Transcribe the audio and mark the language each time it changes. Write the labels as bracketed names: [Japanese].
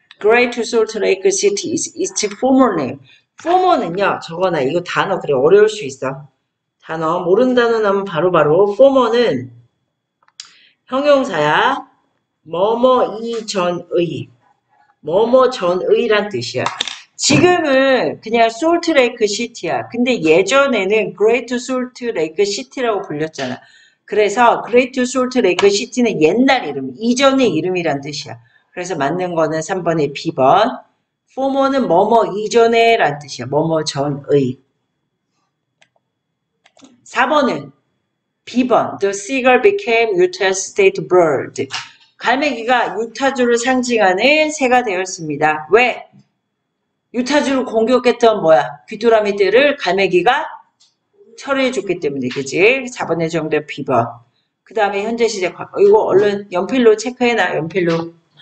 [English] Great Salt Lake City is its former name. [Korean] Former는요, 저거나 이거 단어 그래 어려울 수 있어. 단어 모르는 단어 나면 바로 former는 형용사야. 뭐뭐 이전의 뭐뭐 전의란 뜻이야. 지금은 그냥 Salt Lake City야. 근데 예전에는 Great Salt Lake City라고 불렸잖아. 그래서 Great Salt Lake City는 옛날 이름, 이전의 이름이란 뜻이야. 그래서 맞는 거는 3번에 B번. Former는 뭐뭐 이전에 란 뜻이야. 뭐뭐 전의. 4번은 B번. [English] The seagull became Utah state bird. [Korean] 갈매기가 유타주를 상징하는 새가 되었습니다. 왜? 유타주를 공격했던 뭐야? 귀뚜라미들을 갈매기가 처리해줬기 때문에, 그지? 4번의 정답 B번. 그 다음에 현재 시제 과거. 이거 얼른 연필로 체크해놔, 연필로.